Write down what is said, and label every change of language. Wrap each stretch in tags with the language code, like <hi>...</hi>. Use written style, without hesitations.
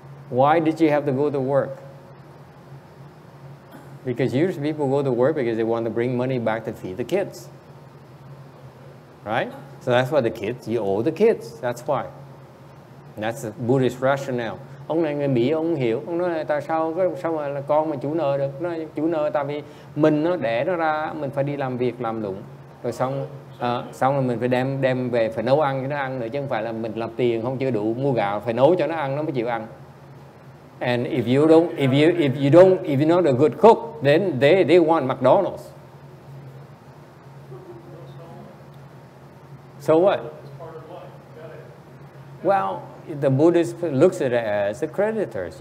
<en>Why did you have to go to work? Because usually people go to work because they want to bring money back to feed the kids. Right? So that's why the kids, you owe the kids. That's why. And that's the Buddhist rationale.</en> <vi>Ông này người Mỹ ông hiểu, ông nói là tại sao mà là con mà chủ nợ được, nó chủ nợ tại vì mình nó đẻ nó ra mình phải đi làm việc làm lụng rồi xong rồi mình phải đem về phải nấu ăn cho nó ăn nữa, chứ không phải là mình làm tiền không chưa đủ mua gạo phải nấu cho nó ăn nó mới chịu ăn.</vi> <en>And if you're not a good cook, then they want McDonald's. So what? Well, the Buddhist looks at it as the creditors.</en>